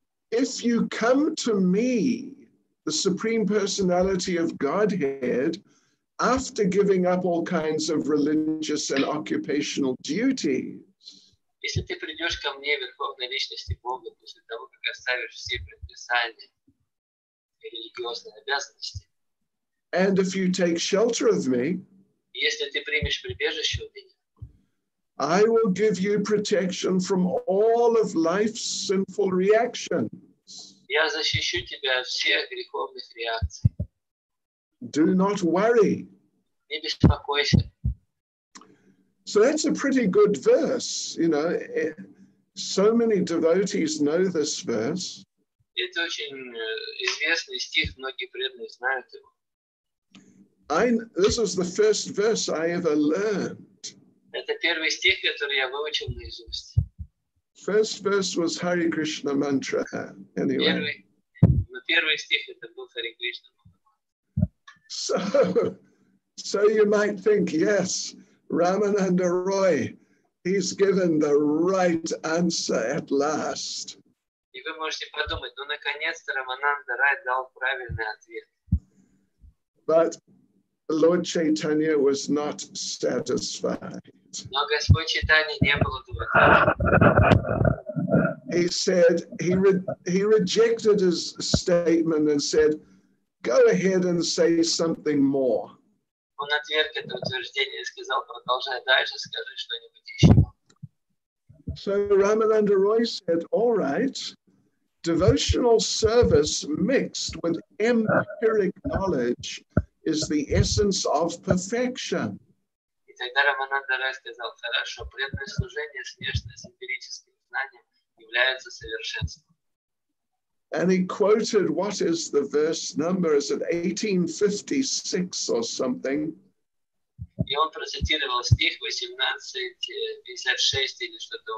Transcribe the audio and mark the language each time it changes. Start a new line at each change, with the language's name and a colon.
English: If you come to me, the Supreme Personality of Godhead, after giving up all kinds of religious and occupational duties,
Russian: если ты придёшь ко мне, верховной личности Бога, после того, как оставишь все предписания и религиозные обязанности,
English: and if you take shelter of me,
Russian: если ты примешь прибежище у меня,
English: I will give you protection from all of life's sinful reactions.
Russian: Я защищу тебя от всех греховных реакций.
English: Do not worry.
Russian: Не беспокойся.
English: So that's a pretty good verse, you know. So many devotees know this verse.
Russian: Это очень известный стих, многие преданные знают его.
English: This is the first verse I ever learned.
Russian: Это первый стих, который я выучил наизусть.
English: First verse was Hare Krishna mantra, anyway.
Russian: Первый стих это был Hare Krishna.
English: So you might think, yes, Ramananda Roy, he's given the right answer at last.
Russian: И вы можете подумать, ну наконец-то Рамананда Рай дал правильный ответ.
English: But Lord Chaitanya was not satisfied.
Russian: Но Господь Чайтанья не был удовлетворен.
English: He said, he rejected his statement and said, go ahead and say something more.
Russian: Он отверг это утверждение и сказал, продолжай дальше, скажи что-нибудь еще.
English: So Ramananda Roy said, all right, devotional service mixed with empiric knowledge is the essence of perfection.
Russian: И тогда Рамананда Рой сказал, хорошо, преданное служение, смешанное с эмпирическим знанием, является совершенством.
English: And he quoted, what is the verse number? Is it 1856 or something?
Russian: И он процитировал стих 1856 или что-то